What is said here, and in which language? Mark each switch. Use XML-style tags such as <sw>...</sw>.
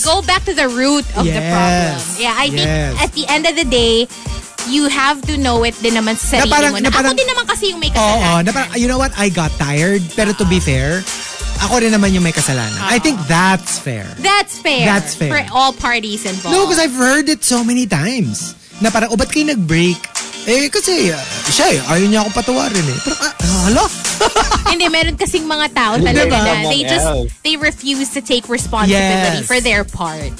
<en>Go back to the root of the problem. Yeah, I think at the end of the day, you have to know it</en> <tl>din naman sa sarili parang, mo. Parang, ako din naman kasi yung may kasalanan.</tl> <en>Oo, you know what? I got tired.</en> <tl>Pero</tl> <en>to be fair,</en> <tl>ako rin naman yung may kasalanan.</tl> <en>I think that's fair. That's fair. For all parties involved. No, because I've heard it so many times.</en> <tl>Na parang, ba't kayo nag-break? Eh, kasi, siya eh, ayaw niya akong patawarin eh. Pero, hala? Hindi, meron kasing mga tao talaga na.</tl> <en>They refuse to take responsibility for their part.</en>